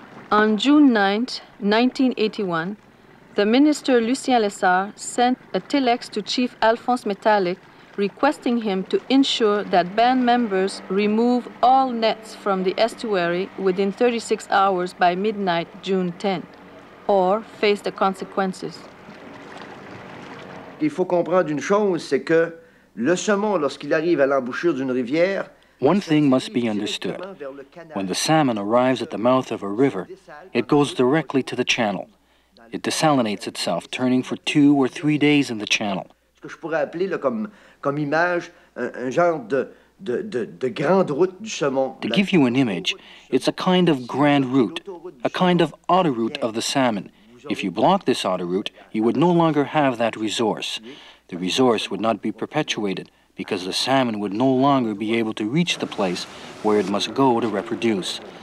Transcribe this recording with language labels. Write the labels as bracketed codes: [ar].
[en] On June 9, 1981, the minister Lucien Lessard sent a telex to Chief Alphonse Metallic requesting him to ensure that band members remove all nets from the estuary within 36 hours by midnight June 10, or face the consequences. [fr] Il faut comprendre une chose, c'est que le saumon, lorsqu'il arrive à l'embouchure d'une rivière, [en] one thing must be understood. When the salmon arrives at the mouth of a river, it goes directly to the channel. It desalinates itself, turning for 2 or 3 days in the channel. [fr] Ce que je pourrais appeler comme image un genre de grande route du saumon. [en] To give you an image, it's a kind of grand route, a kind of autoroute of the salmon. If you block this autoroute, you would no longer have that resource. The resource would not be perpetuated, because the salmon would no longer be able to reach the place where it must go to reproduce.